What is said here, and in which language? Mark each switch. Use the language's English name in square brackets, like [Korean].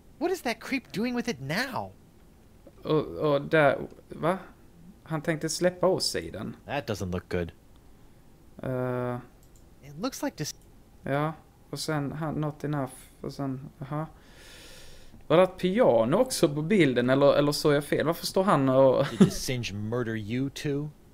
[English] What is that creep doing with it now? [Swedish] Och där, va? Han tänkte släppa oss i den. [English] That doesn't look good. It looks like this. [Swedish] Ja, och sen [English] not enough. [Swedish] Och sen, aha. Var det ett piano också på bilden? Eller såg jag fel? Varför står han och... [English] Did the singe murder you too?